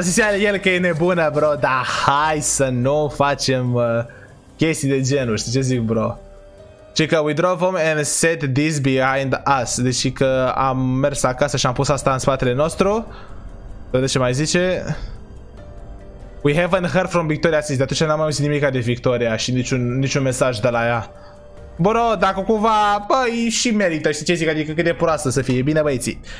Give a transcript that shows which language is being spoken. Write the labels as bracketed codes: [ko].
[ro] Zicea el că e nebună, bro. Da, hai să nu facem chestii de genul, știi ce zic, bro? Și că [en] we drove home and set this behind us. [ro] Deci că am mers acasă și am pus asta în spatele nostru. Vede ce mai zice. [en] We haven't heard from Victoria since. [ro] De atunci n-am mai auzit nimica de Victoria și niciun mesaj de la ea. Bro, dacă cumva, băi, și merită, știi ce zic, adică cât de proastă să fie, bine băieții.